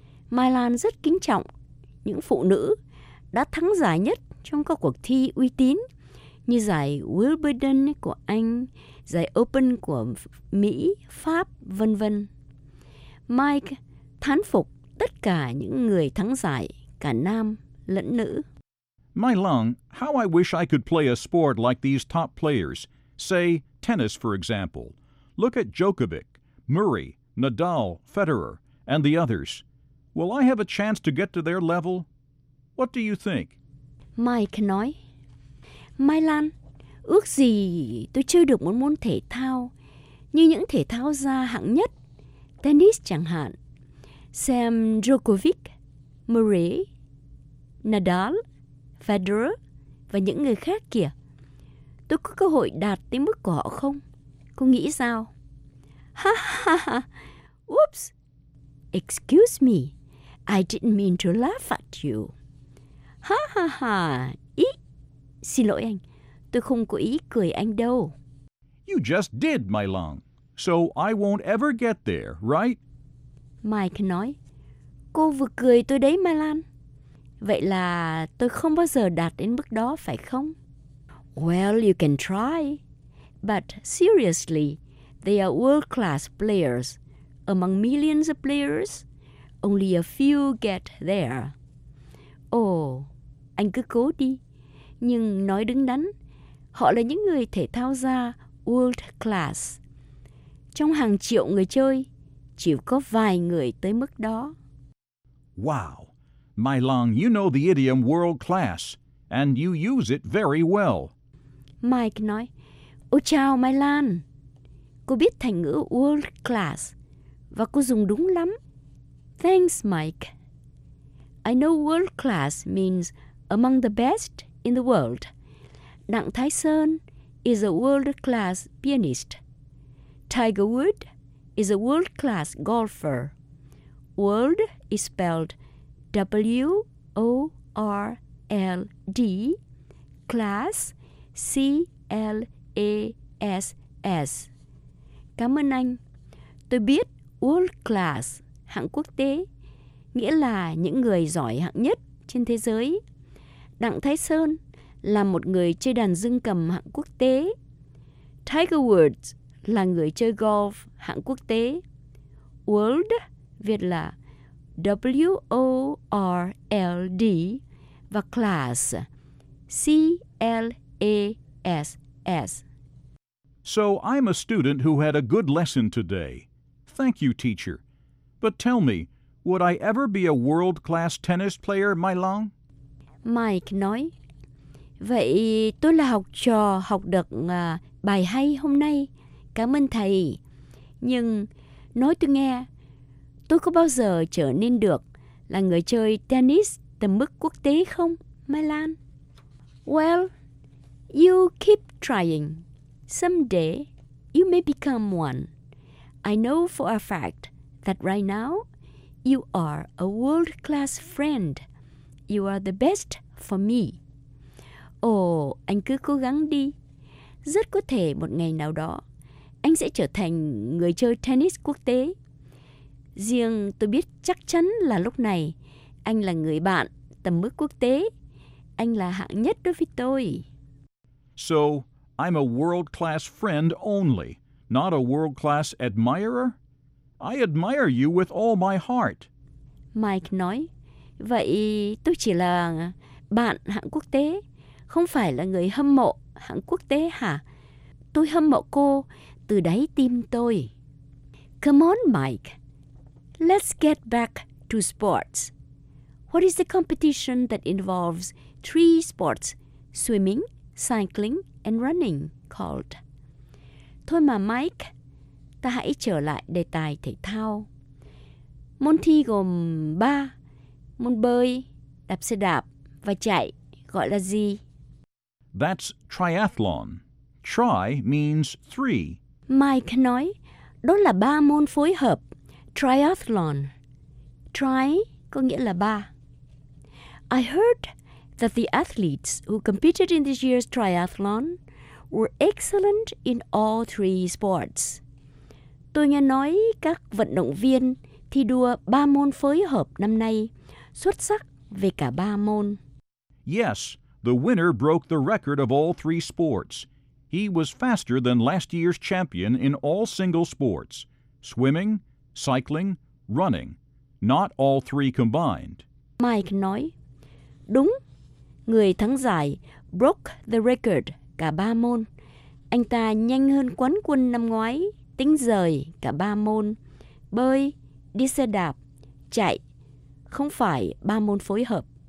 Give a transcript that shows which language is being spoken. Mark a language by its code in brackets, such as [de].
[vi] Mai Lan rất kính trọng những phụ nữ đã thắng giải nhất trong các cuộc thi uy tín như giải Wimbledon của Anh, giải Open của Mỹ, Pháp, vân vân. Mike thán phục tất cả những người thắng giải, cả nam lẫn nữ. [en] My Lung, how I wish I could play a sport like these top players. Say, tennis, for example. Look at Djokovic, Murray, Nadal, Federer, and the others. Will I have a chance to get to their level? What do you think? [vi] Mike nói, Mai Lan, ước gì tôi chơi được một môn thể thao như những thể thao gia hạng nhất, tennis chẳng hạn, xem Djokovic, Murray, Nadal, Federer và những người khác kìa. Tôi có cơ hội đạt tới mức của họ không? Cô nghĩ sao? [en] Ha ha ha, oops, excuse me, I didn't mean to laugh at you. [vi] Ha ha ha, xin lỗi anh, tôi không có ý cười anh đâu. [en] You just did, Mai Lung. So I won't ever get there, right? [vi] Mike nói, cô vừa cười tôi đấy, Mai Lan. Vậy là tôi không bao giờ đạt đến mức đó, phải không? [en] Well, you can try. But seriously, they are world-class players. Among millions of players, only a few get there. [vi] Anh cứ cố đi. Nhưng nói đứng đắn, họ là những người thể thao gia world class. Trong hàng triệu người chơi, chỉ có vài người tới mức đó. [en] Wow! Mai Long, you know the idiom world class, and you use it very well. [vi] Mike nói, ô chào Mai Lan. Cô biết thành ngữ world class, và cô dùng đúng lắm. [en] Thanks, Mike. I know world class means among the best in the world. Đặng Thái Sơn is a world-class pianist. Tiger Woods is a world-class golfer. World is spelled W-O-R-L-D, class C-L-A-S-S. [vi] Cảm ơn anh. Tôi biết world-class, hạng quốc tế, nghĩa là những người giỏi hạng nhất trên thế giới. Đặng Thái Sơn là một người chơi đàn dương cầm hạng quốc tế. Tiger Woods là người chơi golf hạng quốc tế. World viết là W-O-R-L-D và class C-L-A-S-S. [en] So I'm a student who had a good lesson today. Thank you, teacher. But tell me, would I ever be a world-class tennis player, Mai Long? [vi] Mike nói, vậy tôi là học trò học được bài hay hôm nay. Cảm ơn thầy. Nhưng nói tôi nghe, tôi có bao giờ trở nên được là người chơi tennis tầm mức quốc tế không, Mai Lan? [en] Well, you keep trying. Someday, you may become one. I know for a fact that right now, you are a world-class friend. You are the best for me. [vi] Anh cứ cố gắng đi. Rất có thể một ngày nào đó, anh sẽ trở thành người chơi tennis quốc tế. Riêng tôi biết chắc chắn là lúc này, anh là người bạn tầm mức quốc tế. Anh là hạng nhất đối với tôi. [en] So, I'm a world-class friend only, not a world-class admirer? I admire you with all my heart. [vi] Mike nói, vậy tôi chỉ là bạn hạng quốc tế, không phải là người hâm mộ hạng quốc tế hả? Tôi hâm mộ cô từ đáy tim tôi. [en] Come on, Mike. Let's get back to sports. What is the competition that involves three sports, swimming, cycling, and running, called? [vi] Thôi mà Mike, ta hãy trở lại đề tài thể thao. Môn thi gồm ba, môn bơi, đạp xe đạp và chạy, gọi là gì? [en] That's triathlon. Tri means three. [vi] Mike nói, đó là ba môn phối hợp. Triathlon. Tri có nghĩa là ba. [en] I heard that the athletes who competed in this year's triathlon were excellent in all three sports. [vi] Tôi nghe nói các vận động viên thi đua ba môn phối hợp năm nay xuất sắc về cả ba môn. [en] Yes, the winner broke the record of all three sports. He was faster than last year's champion in all single sports, swimming, cycling, running, not all three combined. [vi] Mike nói, đúng, người thắng giải [en] broke the record [vi] cả ba môn. Anh ta nhanh hơn quán quân năm ngoái, tính rời cả ba môn, bơi, đi xe đạp, chạy, không phải ba môn phối hợp.